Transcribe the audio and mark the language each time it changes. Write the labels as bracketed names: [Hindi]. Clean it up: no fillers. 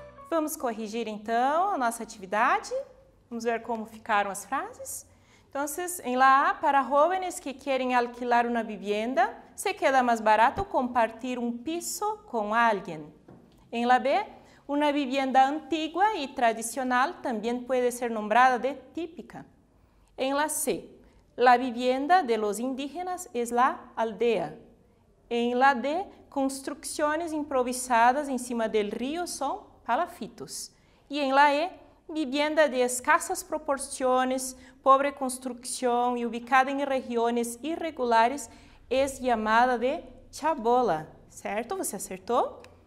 [Portuguese] Vamos corrigir então a nossa atividade. Vamos ver como ficaram as frases. Então, em lá, para jovens que querem alquilar uma vivienda, se queda mais barato compartir piso com alguém. Em lá, B, uma vivienda antiga e tradicional também pode ser nombrada de típica. [Spanish] Em lá, C, la vivienda de los indígenas es la aldea. [Portuguese] Em lá, D, construções improvisadas em cima del rio são palafitos. E em lá, E, vivienda de escassas proporções, pobre construção e ubicada em regiões irregulares, é chamada de chabola. Certo? Você acertou?